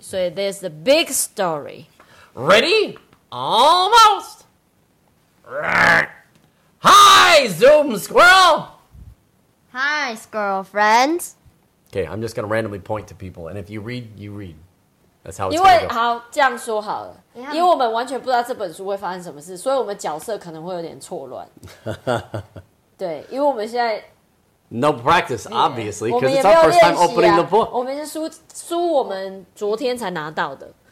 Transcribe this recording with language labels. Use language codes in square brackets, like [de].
[en] So, there's the big story. Ready? Almost! Hi, Zoom Squirrel! Hi, Squirrel Friends! Okay, I'm just gonna randomly point to people, and if you read, you read. That's how it's gonna go. [zh] 好，这样说好了。因为我们完全不知道这本书会发生什么事，所以我们角色可能会有点错乱。对，因为我们现在 [en] No practice, obviously, because it's our first time opening the book. [zh] 我们是书我们昨天才拿到的。